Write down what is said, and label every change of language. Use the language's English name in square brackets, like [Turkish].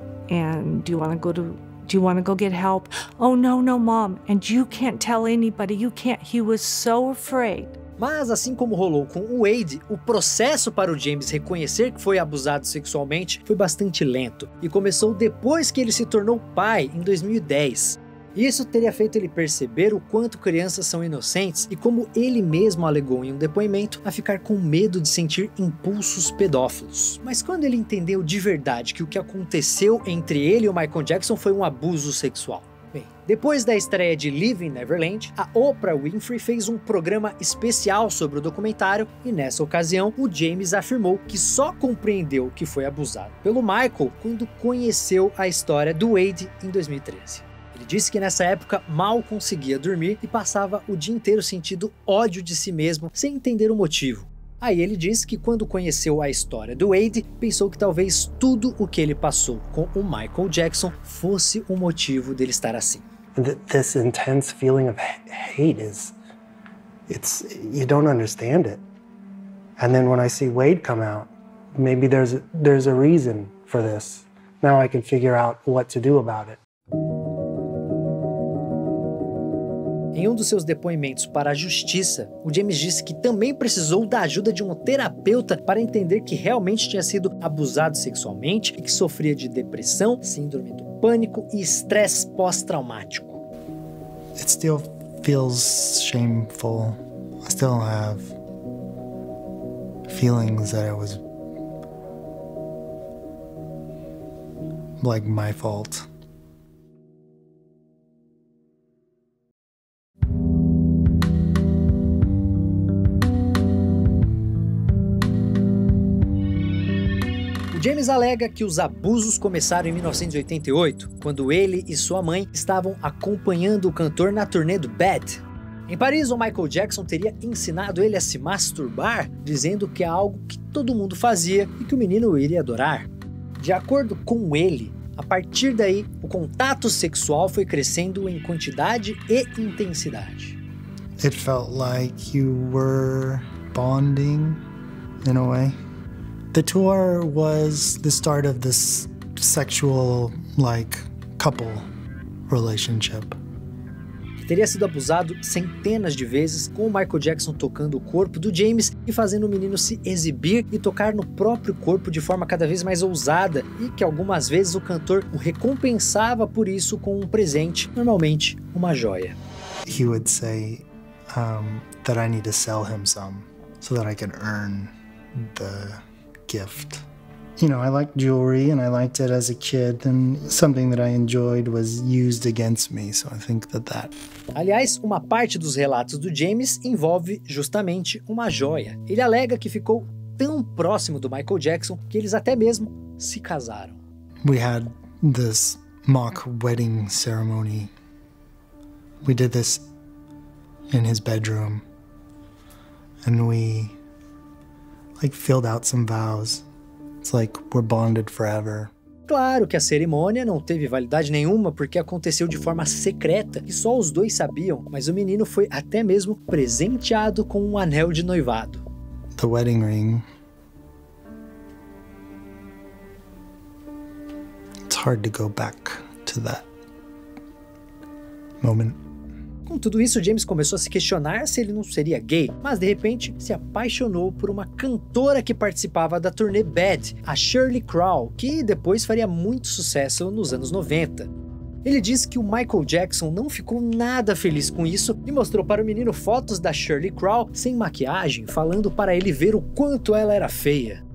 [English] And do you want to go to Do you want to go get help? Oh, no, no, mom. And you can't tell anybody. You can't. He was so afraid. [Portuguese] Mas assim como rolou com o Wade, o processo para o James reconhecer que foi abusado sexualmente foi bastante lento e começou depois que ele se tornou pai, em 2010. Isso teria feito ele perceber o quanto crianças são inocentes e como ele mesmo alegou em um depoimento a ficar com medo de sentir impulsos pedófilos. Mas quando ele entendeu de verdade que o que aconteceu entre ele e o Michael Jackson foi um abuso sexual? Bem, depois da estreia de Leaving Neverland, a Oprah Winfrey fez um programa especial sobre o documentário e nessa ocasião o James afirmou que só compreendeu que foi abusado pelo Michael quando conheceu a história do Wade em 2013. Ele disse que nessa época mal conseguia dormir e passava o dia inteiro sentindo ódio de si mesmo, sem entender o motivo. Aí ele disse que quando conheceu a história do Wade, pensou que talvez tudo o que ele passou com o Michael Jackson fosse o motivo dele estar assim. [English] This intense feeling of hate is, it's, you don't understand it. And then when I see Wade come out, maybe there's a reason for this. Now I can figure out what to do about it. [Portuguese] Em um dos seus depoimentos para a justiça, o James disse que também precisou da ajuda de um terapeuta para entender que realmente tinha sido abusado sexualmente e que sofria de depressão, síndrome do pânico e estresse pós-traumático. [English] It still feels shameful. I still have feelings that it was like my fault. [Portuguese] James alega que os abusos começaram em 1988, quando ele e sua mãe estavam acompanhando o cantor na turnê do Bad. Em Paris, o Michael Jackson teria ensinado ele a se masturbar, dizendo que é algo que todo mundo fazia e que o menino iria adorar. De acordo com ele, a partir daí, o contato sexual foi crescendo em quantidade e intensidade. [English] It felt like you were bonding, in a way. The tour was the start of this sexual, like, couple relationship. Teria sido abusado centenas de vezes, com o Michael Jackson tocando o corpo do James e fazendo o menino se exibir e tocar no próprio corpo de forma cada vez mais ousada, e que algumas vezes o cantor o recompensava por isso com um presente, normalmente uma joia. He would say that I need to sell him some so that I can earn the gift. you know, I liked jewelry and I liked it as a kid, and something that I enjoyed was used against me, so I think that that... [Portuguese] Aliás, uma parte dos relatos do James envolve justamente uma joia. Ele alega que ficou tão próximo do Michael Jackson que eles até mesmo se casaram. [English] We had this mock wedding ceremony. We did this in his bedroom. And we, like, filled out some vows. It's like we're bonded forever. [Portuguese] Claro que a cerimônia não teve validade nenhuma porque aconteceu de forma secreta e só os dois sabiam, mas o menino foi até mesmo presenteado com um anel de noivado. [English] The wedding ring. It's hard to go back to that moment. [Portuguese] Com tudo isso, James começou a se questionar se ele não seria gay, mas de repente se apaixonou por uma cantora que participava da turnê Bad, a Sheryl Crow, que depois faria muito sucesso nos anos 90. Ele diz que o Michael Jackson não ficou nada feliz com isso e mostrou para o menino fotos da Sheryl Crow sem maquiagem, falando para ele ver o quanto ela era feia.